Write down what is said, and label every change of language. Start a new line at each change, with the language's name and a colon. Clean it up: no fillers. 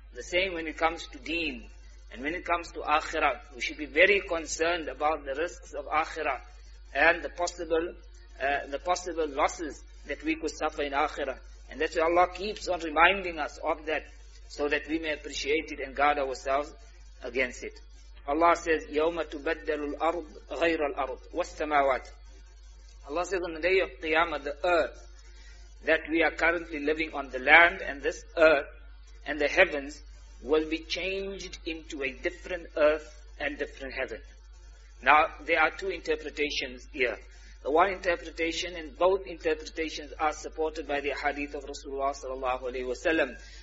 English: The same when it comes to deen. And when it comes to Akhirah, we should be very concerned about the risks of Akhirah and the possible losses that we could suffer in Akhirah. And that's why Allah keeps on reminding us of that so that we may appreciate it and guard ourselves against it. Allah says,
Arabic: يَوْمَ تُبَدَّلُ الْأَرْضُ غَيْرَ الْأَرْضُ وَالسَّمَاوَاتِ.
English: Allah says, on the day of Qiyamah, the earth that we are currently living on, the land and this earth and the heavens, will be changed into a different earth and different heaven. Now, there are two interpretations here. The one interpretation, and both interpretations are supported by the hadith of Rasulullah sallallahu alaihi wasallam.